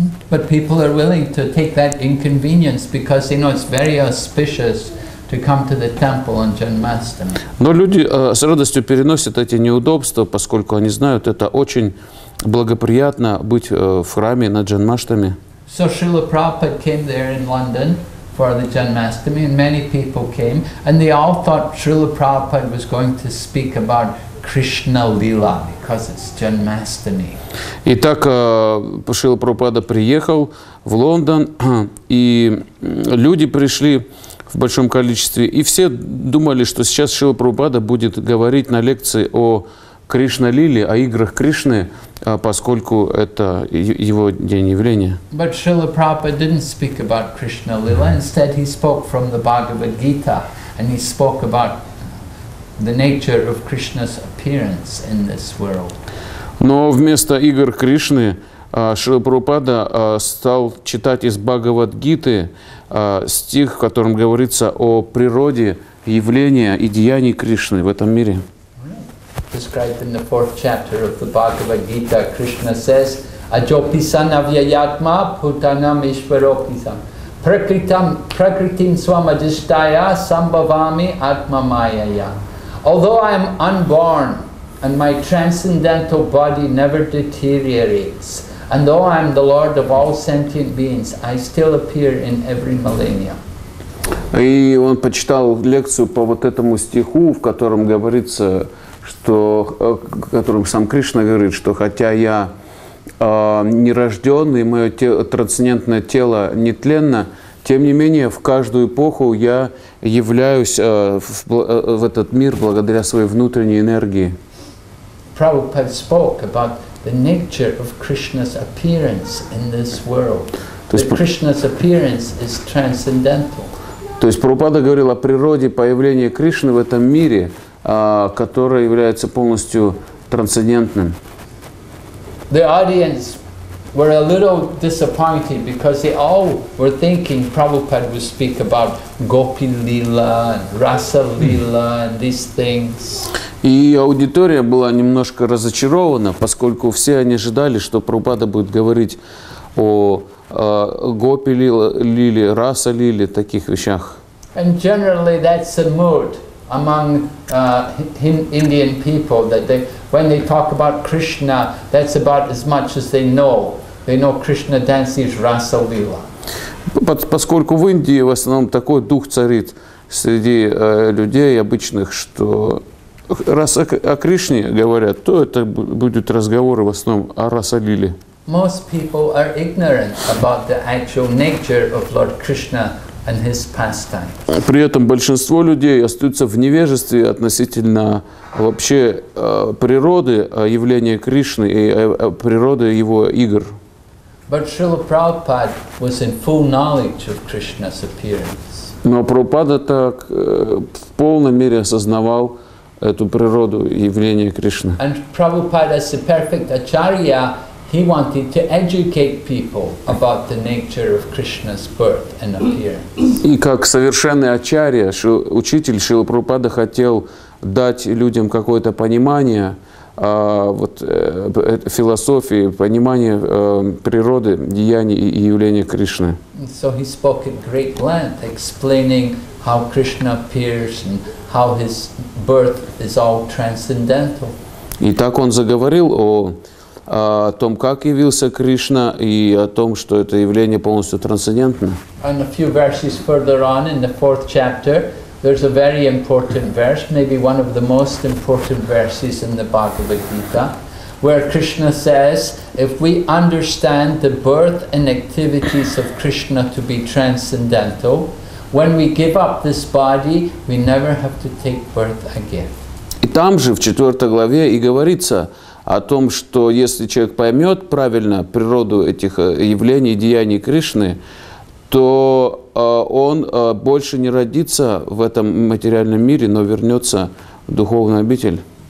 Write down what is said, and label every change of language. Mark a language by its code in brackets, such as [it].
[en] But people are willing to take that inconvenience because they know it's very auspicious to come to the temple on Janmashtami. [ru] Но люди с радостью переносят эти неудобства, поскольку они знают, это очень благоприятно быть в храме на Джанмаштами. [en] So Srila Prabhupada came there in London for the Janmashtami, and many people came, and they all thought Srila Prabhupada was going to speak about Krishna Lila because it's Janmashtami. [ru] Итак, Шрила Прабхупада приехал в Лондон, и люди пришли в большом количестве, и все думали, что сейчас Шрила Прабхупада будет говорить на лекции о Кришна Лили, о играх Кришны, поскольку это его день явления. [en] But Srila Prabhupada didn't speak about Krishna Lila. Instead, he spoke from the Bhagavad Gita, and he spoke about the nature of Krishna's appearance in this world. [ru] Но вместо игр Кришны Шрила Прабхупада стал читать из Бхагавад Гиты стих, в котором говорится о природе явления и деяний Кришны в этом мире. [en] Described in the fourth chapter of the Bhagavad Gita, Krishna says, [sa] Ajopisana vyayatma putanam ishvaropisam prakritam prakritim swamajistaya sambhavami atma mayaya. [en] Although I am unborn and my transcendental body never deteriorates, and though I am the Lord of all sentient beings, I still appear in every millennium. [ru] И он почитал лекцию по вот этому стиху, в котором говорится, что, которым сам Кришна говорит, что хотя я нерожденный, мое трансцендентное тело нетленно, тем не менее в каждую эпоху я являюсь в этот мир благодаря своей внутренней энергии. [en] Prabhupada spoke about the nature of Krishna's appearance in this world. That Krishna's appearance is transcendental. [ru] То есть Прабхупада говорил о природе появления Кришны в этом мире, которое является полностью трансцендентным. [en] The audience were a little disappointed because they all were thinking Prabhupada would speak about Gopi Lila, Rasa Lila, and these things. [ru] И аудитория была немножко разочарована, поскольку все они ожидали, что Прабхупада будет говорить о Гопи Лиле, Раса Лиле, таких вещах. [en] And generally that's the mood among Indian people, that they, when they talk about Krishna, that's about as much as they know. They know Krishna dances Rasa Lila. [ru] Поскольку в Индии в основном такой дух царит среди людей обычных, что раз о Кришне говорят, то это будут разговоры в основном о Раса Лиле. [en] Most people are ignorant about the actual nature of Lord Krishna and his pastime. [ru] При этом большинство людей остаются в невежестве относительно вообще природы явления Кришны и природы его игр. [en] But Srila Prabhupada was in full knowledge of Krishna's appearance. [ru] Но Прабхупада так в полной мере осознавал эту природу явления Кришны. [en] And Prabhupada is the perfect acharya. He wanted to educate people about the nature of Krishna's birth and appearance. [ru] И как совершенный ачарья, учитель Шрила Прабхупада хотел дать людям какое-то понимание вот философии, понимание природы, деяний и явления Кришны. [en] So he spoke at great length explaining how Krishna appears and how his birth is all transcendental. [ru] И так он заговорил о том, как явился Кришна, и о том, что это явление полностью трансцендентно. [en] And a few verses further on in the fourth chapter, there's a very important verse, maybe one of the most important verses in the Bhagavad Gita. where Krishna says, if we understand the birth and activities of Krishna to be transcendental, when we give up this body, we never have to take birth again. [ru] И там же, в 4 главе, и говорится о том, что если человек поймет правильно природу этих явлений, деяний Кришны, то он больше не родится в этом материальном мире, но вернется в духовную обитель.